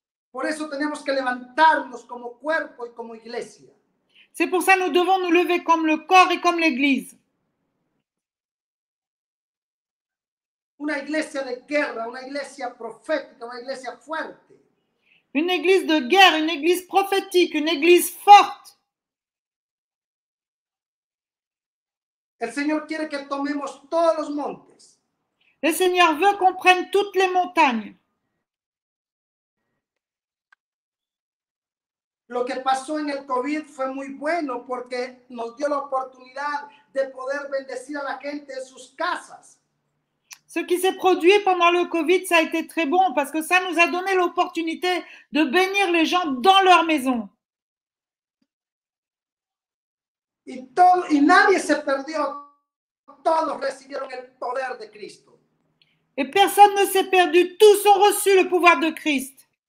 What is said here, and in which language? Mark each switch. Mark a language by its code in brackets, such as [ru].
[es] Por eso tenemos que levantarnos como cuerpo y como iglesia. [fr] C'est pour ça que nous devons nous lever comme le corps et comme l'église. [es] Una iglesia de guerra, una iglesia profética, una iglesia fuerte. [fr] Une église de guerre, une église prophétique, une église forte. [es] El Señor quiere que tomemos todos los montes. [fr] Le Seigneur veut qu'on prenne toutes les montagnes. [es] Lo que pasó en el COVID fue muy bueno porque nos dio la oportunidad de poder bendecir a la gente en sus casas. [fr] Ce qui s'est produit pendant le Covid, ça a été très bon parce que ça nous a donné l'opportunité de bénir les gens dans leur maison. Et personne ne s'est perdu, tous ont reçu le pouvoir de Christ.